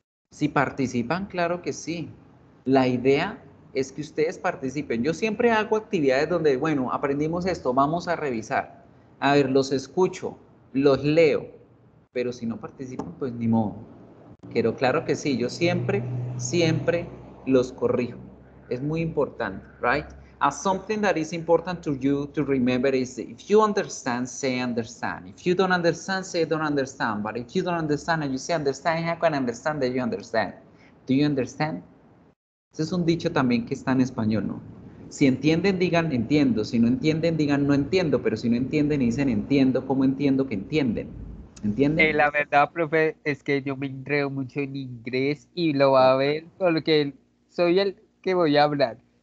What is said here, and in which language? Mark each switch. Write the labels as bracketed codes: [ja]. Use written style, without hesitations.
[es] Si participan, claro que sí. La idea es que ustedes participen. Yo siempre hago actividades donde, bueno, aprendimos esto, vamos a revisar. A ver, los escucho, los leo, pero si no participan, pues ni modo. Pero claro que sí, yo siempre, siempre los corrijo. Es muy importante, right? [en] As something that is important to you to remember is if you understand, say understand. If you don't understand, say don't understand. But if you don't understand and you say understand, how can I understand that you understand? Do you understand? [es] Ese es un dicho también que está en español, ¿no? Si entienden, digan entiendo. Si no entienden, digan no entiendo. Pero si no entienden y dicen entiendo, ¿cómo entiendo que entienden? ¿Entienden? La verdad, profe, es que yo me entrego mucho en inglés y lo va a ver porque soy el que voy a hablar.